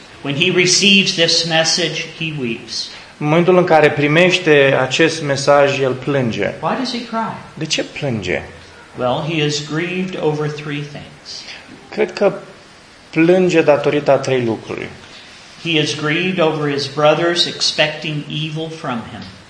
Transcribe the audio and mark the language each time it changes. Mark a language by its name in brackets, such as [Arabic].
[English] When he receives this message, he weeps. [Romanian] În momentul în care primește acest mesaj, el plânge. [English] Why does he cry? [Romanian] De ce plânge? [English] Well, he is grieved over three things. [Romanian] Cred că plânge datorită a trei lucruri. [English] He is grieved over his brothers expecting evil from him.